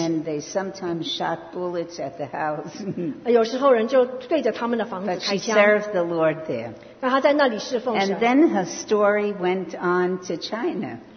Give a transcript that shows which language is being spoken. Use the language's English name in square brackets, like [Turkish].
[English] And they sometimes shot bullets at the house. [Chinese] 有时候人就对着他们的房子开枪。 [English] But she served the Lord there. [Chinese] 但她在那里侍奉神。 [English] And then her story went on to China.